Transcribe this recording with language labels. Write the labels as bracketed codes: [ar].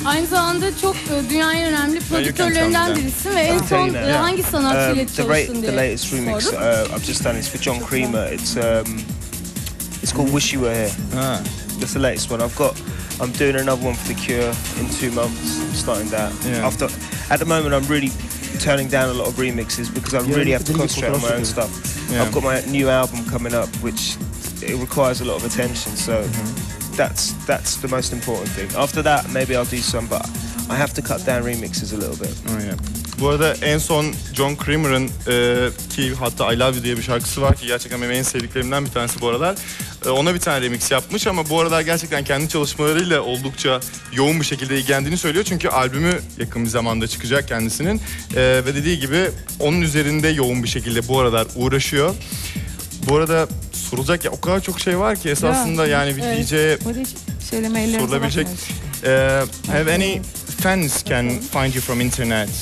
[tr] Aynı zamanda çok dünyanın önemli prodüktörlerinden birisin ve en son hangi sanatçıyla çalıştın diye. [en] The latest remix I've just done is for John Creamer. It's called Wish You Were Here. That's the latest one. I'm doing another one for The Cure in 2 months. I'm starting that. Yeah. After, at the moment, I'm really turning down a lot of remixes because I really have to concentrate on my own stuff. Yeah. I've got my new album coming up, which it requires a lot of attention, so that's the most important thing. After that, maybe I'll do some, but I have to cut down remixes a little bit. Oh yeah. [tr] Bu arada en son John Creamer'ın ki hatta I Love You diye bir şarkısı var ki gerçekten benim en sevdiklerimden bir tanesi bu aralar. Ona bir tane remix yapmış ama bu aralar gerçekten kendi çalışmalarıyla oldukça yoğun bir şekilde ilgilendiğini söylüyor. Çünkü albümü yakın bir zamanda çıkacak kendisinin. Ve dediği gibi onun üzerinde yoğun bir şekilde bu aralar uğraşıyor. Bu arada sorulacak ya o kadar çok şey var ki esasında yani bir DJ'ye sorulabilecek. [en] Have any fans can find you from internet?